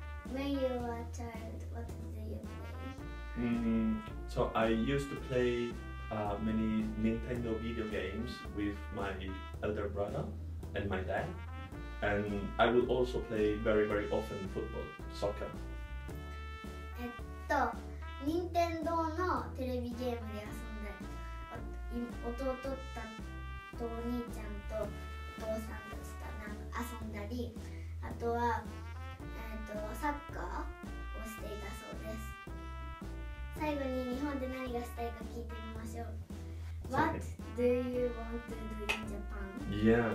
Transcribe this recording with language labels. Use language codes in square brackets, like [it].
[en] When you were a child, what did you play? So I used to play many Nintendo video games with my elder brother and my dad. And I will also play very, very often football, soccer. [ja] 任天堂のテレビゲームで遊んで、弟たとお兄ちゃんとお父さんたちとなんか遊んだり、あとは、サッカーをしていたそうです。最後に日本で何がしたいか聞いてみましょう。 [en] What do you want to do in Japan?